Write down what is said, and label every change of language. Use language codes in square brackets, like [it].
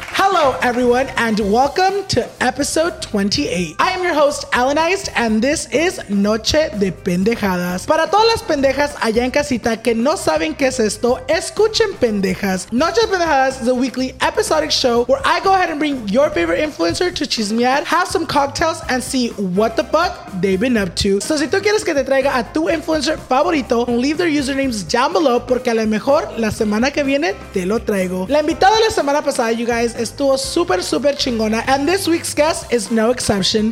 [en] Hello everyone and welcome to episode 28. I am your host Alan Iced and this is Noche de Pendejadas. [es] Para todas las pendejas allá en casita que no saben qué es esto, escuchen pendejas. [en] Noche de Pendejadas is a weekly episodic show where I go ahead and bring your favorite influencer to chismear, have some cocktails and see what the fuck they've been up to. [es] So si tú quieres que te traiga a tu influencer favorito, [en] leave their usernames down below [es] porque a lo mejor la semana que viene te lo traigo. La invitada de la semana pasada, [en] you guys, [es] estuvo super, super chingona. [en] And this week's guest is no exception.